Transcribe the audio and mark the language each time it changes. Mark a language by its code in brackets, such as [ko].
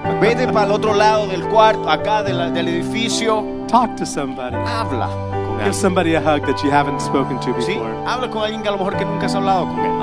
[es] Vete para el otro lado del cuarto, acá del edificio. [en] Talk to somebody. [es] Habla con alguien. [en] Give somebody a hug that you haven't spoken to before. [es] Sí, habla con alguien que a lo mejor que nunca has hablado con él.